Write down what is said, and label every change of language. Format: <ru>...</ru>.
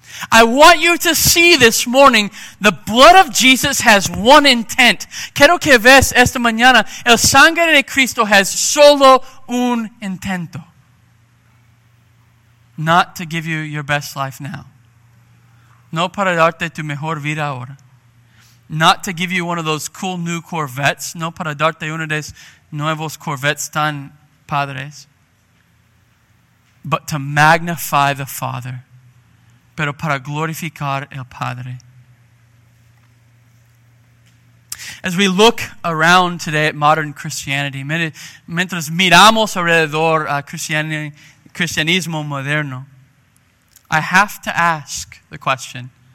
<en>I want you to see this morning, the blood of Jesus has one intent.</en> <es>Quiero que veas esta mañana, el sangre de Cristo has solo un intento.</es> <en>Not to give you your best life now.</en> <es>No para darte tu mejor vida ahora.</es> <en>Not to give you one of those cool new Corvettes.</en> <es>No para darte uno de esos nuevos Corvettes tan padres.</es> <en>But to magnify the Father.</en> <es>Pero para glorificar el Padre.</es> <en>As we look around today at modern Christianity,</en> <es>mientras miramos alrededor a cristianismo moderno,</es> <en>I have to ask the question.</en>